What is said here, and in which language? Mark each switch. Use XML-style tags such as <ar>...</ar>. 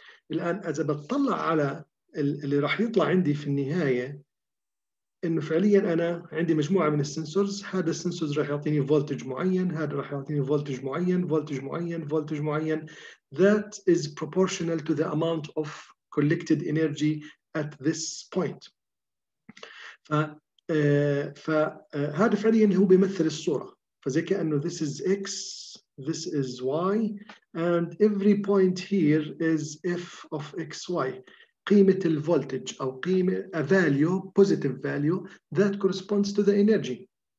<ar>الآن إذا بتطلع على اللي راح يطلع عندي في النهاية، إنه فعلياً أنا عندي مجموعة من السنسورز، هذا السنسورز راح يعطيني فولتج معين، هذا راح يعطيني فولتج معين، فولتج معين، فولتج معين.</ar> <en>That is proportional to the amount of collected energy at this point.</en> <ar>فهذا فعلياً هو بيمثل الصورة. فزي كأنه</ar> <en>this is X، this is Y، and every point here is f of xy،</en> <ar>قيمة الفولتج أو قيمة</ar> <en>a value positive value that corresponds to the energy.</en>